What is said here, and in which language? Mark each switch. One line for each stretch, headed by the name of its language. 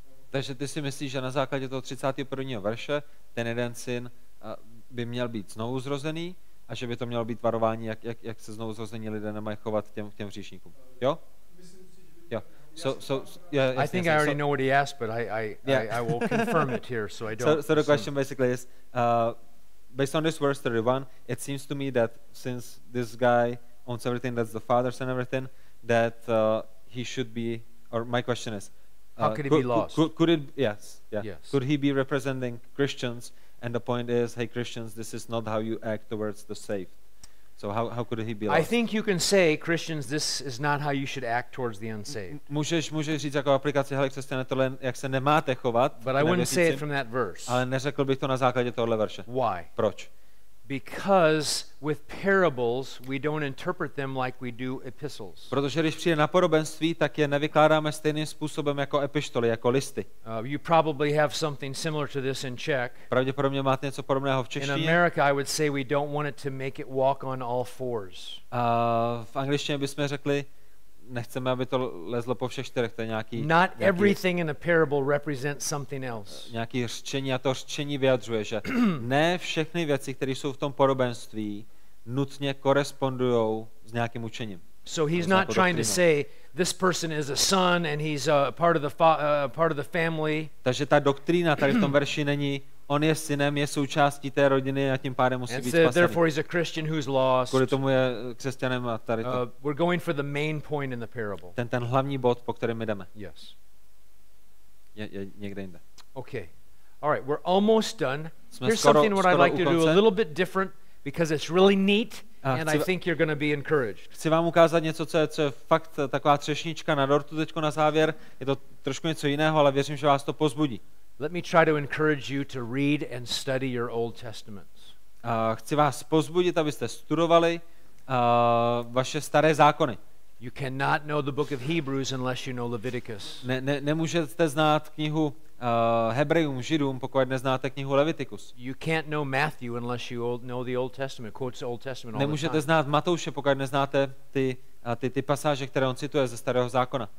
Czech: Takže ty si myslíš, že na základě toho 31. verše ten jeden syn by měl být znovu zrozený a že by to mělo být varování, jak se znovu zrození lidé nemají chovat k těm hříšníkům. Jo? Jo.
English: I think I already know what he asked, but I will confirm it here, so I don't. So the question basically is, based on this verse 31, it seems to me that since this guy owns everything, that's the father's and everything, that he should be, or my question is, how could he be lost? Could could he be representing Christians? And the point is, hey Christians, this is not how you act towards the saved. So how could he be lost? I think you can say, Christians, this is not how you should act towards the unsaved.
Czech: Můžeš říct jako aplikace, hele, křesťané, tohle jak se nemáte chovat.
English: But I wouldn't say it from that verse.
Czech: Ale neřekl bych to na základě tohle verše.
English: Why?
Czech: Proč?
English: Because with parables we don't interpret them like we do epistles.
Czech: Protože když přijde na podobenství, tak je nevykládáme stejným způsobem jako epištoly, jako listy.
English: You probably have something similar to this in Czech.
Czech: Pravděpodobně máte něco podobného v češtině.
English: In America I would say we don't want it to make it walk on all fours.
Czech: V angličtině bychom řekli, nechceme, aby to lezlo po všech čtyřech, to je nějaký.
English: Not everything in a parable represents something else.
Czech: Nějaký řčení, a to řčení vyjadřuje, že ne všechny věci, které jsou v tom podobenství, nutně korespondují s nějakým učením.
English: So he's not trying to say this person is a son and he's a part of the family.
Czech: Takže ta doktrína tady v tom verši není, on je synem, je součástí té rodiny a tím pádem musí být spasený.
English: Therefore he's a Christian who's lost.
Czech: Kvůli tomu je křesťanem a tady to.
English: We're going for the main point in the parable.
Czech: Ten hlavní bod, po kterém jdeme.
English: Yes.
Czech: Je někde jinde.
English: Okay. All right, we're almost done. Here's something what I'd like to do a little bit different because it's really neat. And I think you're going to be encouraged.
Czech: Chci vám ukázat něco, co je fakt taková třešnička na dortu teďko na závěr. Je to trošku něco jiného, ale věřím, že vás to pozbudí.
English: Let me try to encourage you to read and study your Old Testaments.
Czech: Chci vás pozbudit, abyste studovali vaše staré zákony.
English: You cannot know the book of Hebrews unless you know Leviticus.
Czech: Nemůžete znát knihu Hebrejům, Židům, pokud neznáte knihu Leviticus.
English: You can't know Matthew unless you know the Old Testament, quotes the Old Testament all the time.
Czech: Nemůžete znát Matouše, pokud neznáte ty pasáže, které on cituje ze starého zákona.